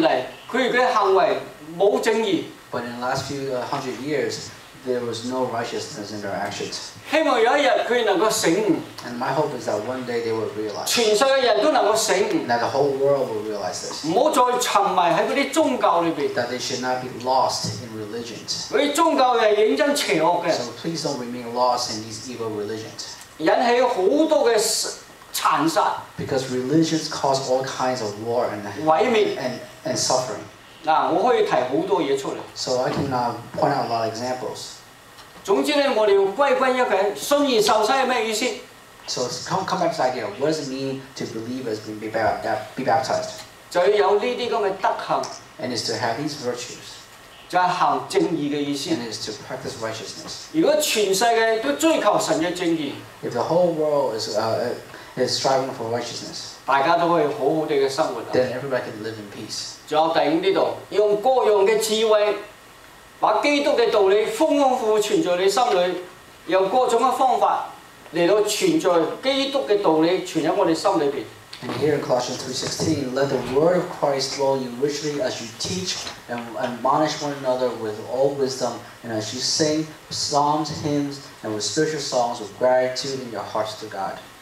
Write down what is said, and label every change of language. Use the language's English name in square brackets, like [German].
[Chinese] 但是他们过去几百年来他们的行为没有正义, [English] but in the last few hundred years there was no righteousness in their actions. [Chinese] 希望有一天他们能够醒悟, [English] and my hope is that one day they will realize, [Chinese] 全世界人都能够醒悟, [English] that the whole world will realize this, [Chinese] 不要再沉迷在那些宗教里面, [English] that they should not be lost in religions. [Chinese] 因为宗教是认真邪恶的, [English] so please don't remain lost in these evil religions. [Chinese] 引起很多的残杀, [English] because religions cause all kinds of war and [Chinese] 毁灭, [English] and suffering. [Chinese] 我可以提很多东西出来, [English] so I can point out a lot of examples. [Chinese] 总之呢,我们要归归一个信而受洗是什么意思? [English] So come back to the idea, what does it mean to believe as be baptized? [Chinese] 就要有这些德行, [English] and it's to have these virtues, [Chinese] 就是行正义的意思, [English] and it's to practice righteousness. [Chinese] 如果全世界都追求神的正义, [English] if the whole world is than striving for righteousness. [Chinese] 大家都可以好好地生活, [English] then everybody can live in peace. [Chinese] 就在这里, 用各样的智慧, 把基督的道理丰富存在你心里, 用各种的方法来存在基督的道理, 存在我们心里面。 [English] And here in Colossians 3:16, let the word of Christ dwell in you richly as you teach and admonish one another with all wisdom, and as you sing psalms, hymns, and with spiritual songs with gratitude in your hearts to God.